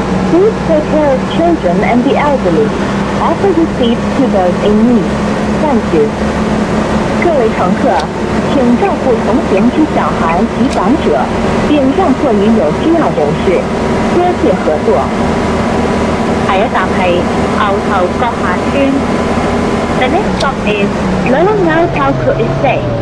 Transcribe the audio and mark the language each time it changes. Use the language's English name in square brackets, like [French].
[English] Please take care of children and the elderly. Offer your seat to those in need. Thank you. [Cantonese] 各位乘客，请照顾同行之小孩及长者，并让座与有需要人士，多谢合作。下一站是牛头角下村。 [English] The next stop is Lorong Ngau Tau Kru Estate.